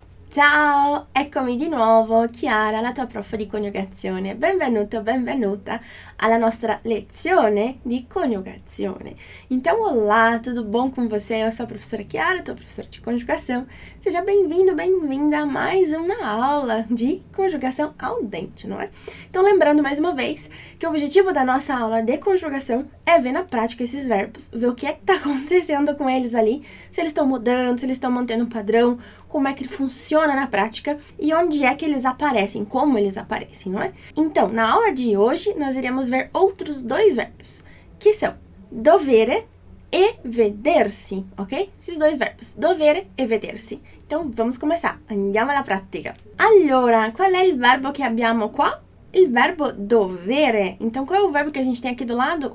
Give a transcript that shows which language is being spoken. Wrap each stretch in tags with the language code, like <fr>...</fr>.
<it>Ciao, eccomi di nuovo, Chiara, la tua prof di coniugazione. Benvenuto, benvenuta alla nostra lezione di coniugazione.</it> <pt>Então, olá, tudo bom com você? Eu sou a professora Chiara, tua professora de conjugação. Seja bem-vindo, bem-vinda a mais uma aula de conjugação al dente, não é? Então, lembrando mais uma vez que o objetivo da nossa aula de conjugação é ver na prática esses verbos, ver o que é que está acontecendo com eles ali, se eles estão mudando, se eles estão mantendo um padrão, como é que ele funciona na prática e onde é que eles aparecem, como eles aparecem, não é? Então, na aula de hoje, nós iremos ver outros dois verbos, que são dovere e vedersi, ok? Esses dois verbos, dovere e vedersi. Então, vamos começar.</pt> <it>Andiamo alla pratica. Allora,</it> <pt>qual é o verbo que</pt> <it>abbiamo qua? Il verbo dovere.</it> <pt>Então, qual é o verbo que a gente tem aqui do lado?</pt>